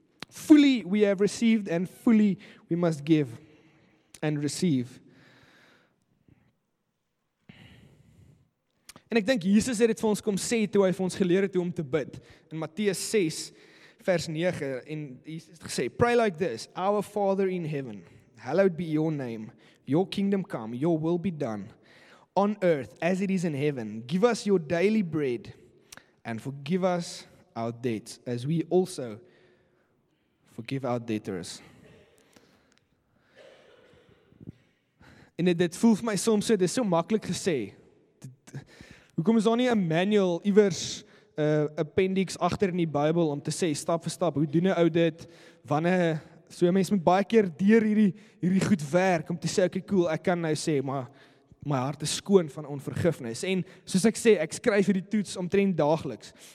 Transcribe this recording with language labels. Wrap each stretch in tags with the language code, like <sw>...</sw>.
<en>Fully we have received and fully we must give and receive.</en> <af>En ek dink Jesus het dit vir ons kom sê toe hy vir ons geleer het hoe om te bid. In Matteus 6 vers 9 en Jesus het gesê,</af> <en>"Pray like this: Our Father in heaven, hallowed be your name. Your kingdom come, your will be done on earth as it is in heaven. Give us your daily bread and forgive us our debts as we also forgive our debtors."</en> <af>En dit voel vir my soms so, dit is so maklik gesê. Hoekom is daar nie 'n manual iewers 'n appendix agter in die Bybel om te sê stap vir stap hoe doen 'n ou dit wanneer so 'n mens moet baie keer deur hierdie goed werk om te sê okay cool ek kan nou sê maar my hart is skoon van onvergifnis en soos ek sê ek skryf hierdie toets omtrent daagliks.</af>